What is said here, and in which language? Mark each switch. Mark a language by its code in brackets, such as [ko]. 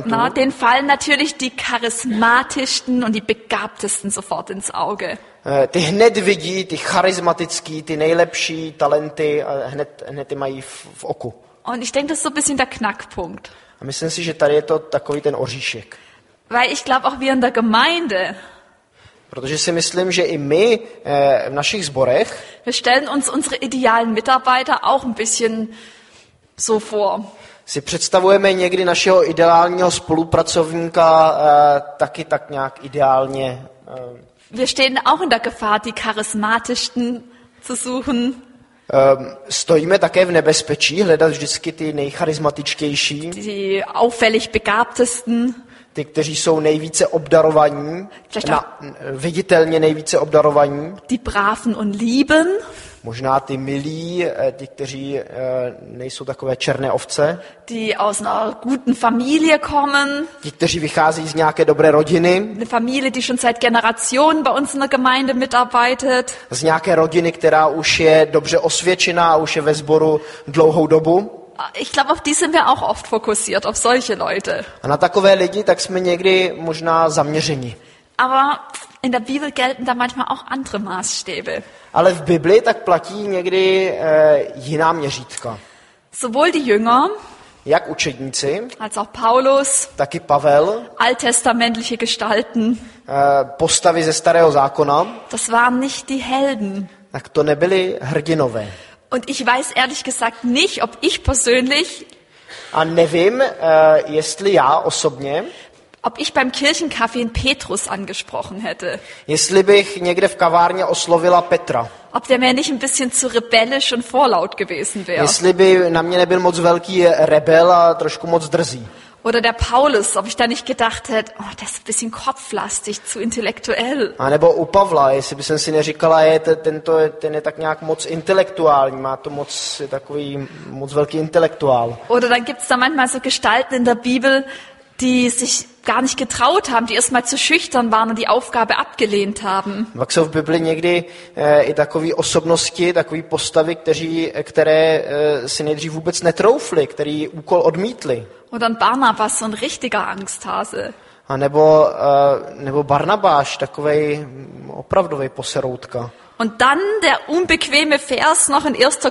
[de] den fallen natürlich die charismatischsten und die begabtesten sofort ins Auge. [cs] Ty hned vidí, ty charismatický, ty nejlepší talenty, hned ty mají v oku. [de] Und ich denke, das ist so ein bisschen der Knackpunkt. [cs] A myslím si, že tady je to takový ten oříšek. [de] Weil ich glaube auch wir in der Gemeinde. [cs] Protože si myslím, že i my v našich sborech. [de] Wir stellen uns unsere idealen Mitarbeiter auch ein bisschen so vor. [cs] Si představujeme někdy našeho ideálního spolupracovníka taky tak nějak ideálně. [de] Wir stehen auch in der Gefahr, die charismatischsten zu suchen. [cs] Stojíme také v nebezpečí hledat vždycky ty nejcharismatičtější. [de] Die auffällig begabtesten. [cs] ty, kteří jsou nejvíce obdarovaní, viditelně nejvíce obdarovaní. [de] Die braven und lieben. [cs] Možná ty milí, ti, kteří nejsou takové černé ovce. [de] Die aus einer guten Familie kommen. [cs] Ti, kteří vychází z nějaké dobré rodiny. [de] Eine Familie, die schon seit Generationen bei uns in der Gemeinde mitarbeitet. [cs] Z nějaké rodiny, která už je dobře osvědčená a už je ve sboru dlouhou dobu. [de] Ich glaube, auf die sind wir auch oft fokussiert, auf solche Leute. [cs] A na takové lidi tak jsme někdy možná zaměřeni. [de] Aber in der Bibel gelten da manchmal auch andere Maßstäbe. [cs] Ale v Biblii tak platí někdy jiná měřítka. [de] Sowohl die Jünger, [cs] jak učedníci, [de] als auch Paulus, [cs] taky Pavel, [de] alttestamentliche Gestalten, [cs] postavy ze Starého zákona, [de] das waren nicht die Helden. [cs] Tak to nebyli hrdinové. [de] Und ich weiß ehrlich gesagt nicht, ob ich persönlich, [cs] a nevím, jestli já osobně, [de] ob ich beim Kirchenkaffee Petrus angesprochen hätte. [cs] Jestli bych někde v kavárně oslovila Petra. [de] Ob der mir nicht ein bisschen zu rebellisch und vorlaut gewesen wäre. [cs] Jestli by na mě nebyl moc velký rebel a trošku moc drzý. [de] Oder der Paulus, ob ich da nicht gedacht hätte, oh, das ist ein bisschen kopflastig, zu intellektuell. [cs] A nebo u Pavla, jestli bych si neříkala, je tento, ten je tak nějak moc intelektuální, má to moc takový moc velký intelektuál. [de] Oder dann gibt's da manchmal so Gestalten in der Bibel, die sich gar nicht getraut haben, die erstmal zu schüchtern waren und die Aufgabe abgelehnt haben. [cs] Pak jsou v Bibli někdy i takový osobnosti, takový postavy, které si nejdřív vůbec netroufli, který úkol odmítli. [de] Und dann Barnabas, so ein richtiger Angsthase. [cs] A nebo Barnabáš, takovej opravdový poseroutka. [de] Und dann der unbequeme Vers noch in 1.